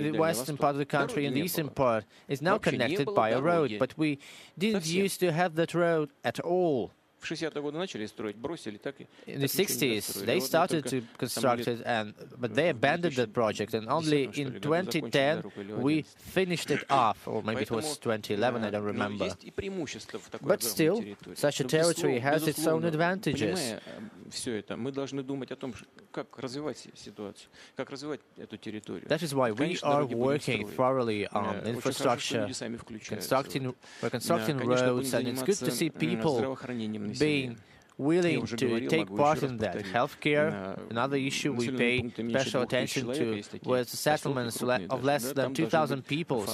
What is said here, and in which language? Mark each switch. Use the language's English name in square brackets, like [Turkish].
[English] the western part of the country and the eastern part is now connected by a road, but we didn't used to have that road at all. [Russian] В 60-е годы начали строить, бросили, так и [English] in the 60s they started to construct it and but they abandoned the project and only in 2010 we finished it off, or maybe it was 2011, I don't remember. [Russian] Есть и преимущества в такой, [English] but still such a territory has its own advantages. [Russian] Все это мы должны думать о том, как развивать ситуацию, как развивать эту территорию. [English] That is why we are working thoroughly on infrastructure, constructing roads, and it's good to see people being willing to take part in that. Healthcare, another issue we pay special attention to, was the settlements of less than 2,000 people.